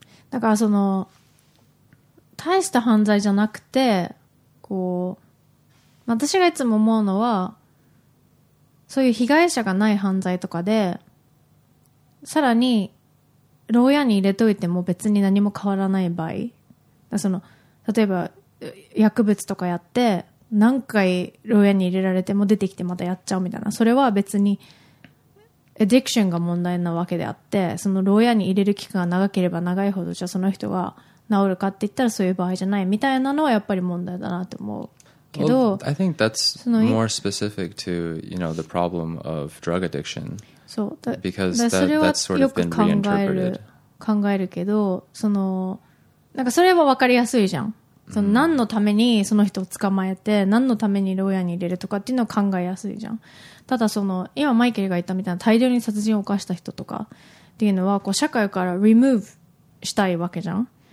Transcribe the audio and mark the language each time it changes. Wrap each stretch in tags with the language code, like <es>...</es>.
<ja>だからその、大した犯罪じゃなくて、こう、私がいつも思うのは、そういう被害者がない犯罪とかでさらに牢屋に入れといても別に何も変わらない場合だその例えば薬物とかやって何回牢屋に入れられても出てきてまたやっちゃうみたいなそれは別にエディクションが問題なわけであって、その牢屋に入れる期間が長ければ長いほどじゃあその人が治るかって言ったらそういう場合じゃないみたいなのはやっぱり問題だなと思うけど、</ja> <en>well, I think that's more specific to, you know, the problem of drug addiction.</en> <ja>そう、だ、</ja> <en>because that,</en> <ja>それはよく考えるけど、そのなんかそれは分かりやすいじゃん。その何のためにその人を捕まえて何のために牢屋に入れるとかっていうのを考えやすいじゃん。ただその今マイケルが言ったみたいな大量に殺人を犯した人とかっていうのはこう社会からリムーブしたいわけじゃん。</ja>